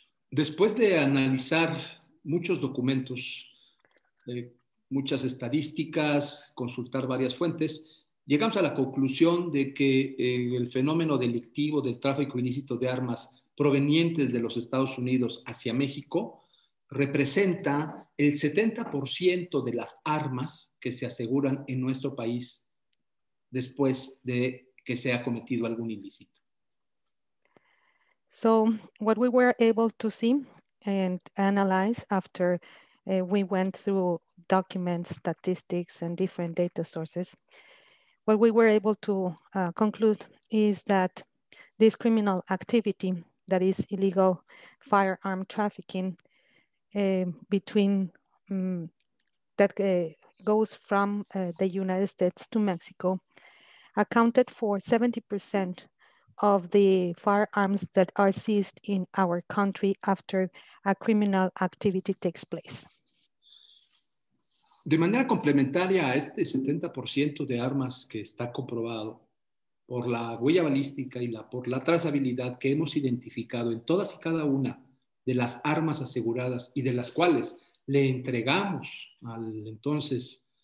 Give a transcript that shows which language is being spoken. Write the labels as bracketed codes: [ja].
[es] Después de analizar muchos documentos, muchas estadísticas, consultar varias fuentes, llegamos a la conclusión de que el fenómeno delictivo del tráfico ilícito de armas provenientes de los Estados Unidos hacia México representa el 70% de las armas que se aseguran en nuestro país después de que se ha cometido algún ilícito. [en] So, what we were able to see and analyze after we went through documents, statistics, and different data sources, what we were able to conclude is that this criminal activity, that is illegal firearm trafficking, goes from the United States to Mexico, accounted for 70% of the firearms that are seized in our country after a criminal activity takes place. [es] De manera complementaria a este 70% de armas que está comprobado por la huella balística y por la trazabilidad que hemos identificado en todas y cada una de las armas aseguradas y de las cuales le entregamos al entonces